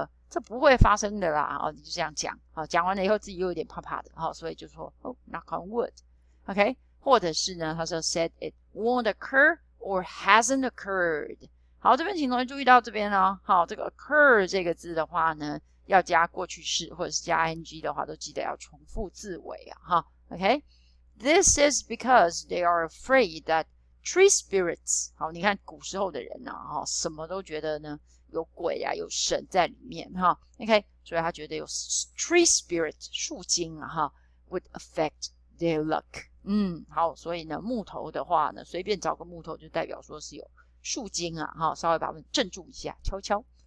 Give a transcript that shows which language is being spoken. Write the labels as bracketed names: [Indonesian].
[Chinese] 这不会发生的啦，哦，你就这样讲，好，讲完了以后自己又有点怕怕的，好，所以就说 ， [English] oh, knock on wood, OK， [Chinese] 或者是呢，他说 [English] said it won't occur or hasn't occurred。 [Chinese] 好，这边请同学注意到这边哦，好，这个 occur 这个字的话呢，要加过去式或者是加 ing 的话，都记得要重复字尾啊，哈 ，OK。 [English] This is because they are afraid that tree spirits。 [Chinese] 好，你看古时候的人呢，哈，什么都觉得呢。有鬼啊，有神在里面哈 ，OK， 所以他觉得有 tree spirit 树精啊哈 ， [English] would affect their luck。 [Chinese] 嗯，好，所以呢，木头的话呢，随便找个木头就代表说是有树精啊哈，稍微把我们镇住一下，悄悄。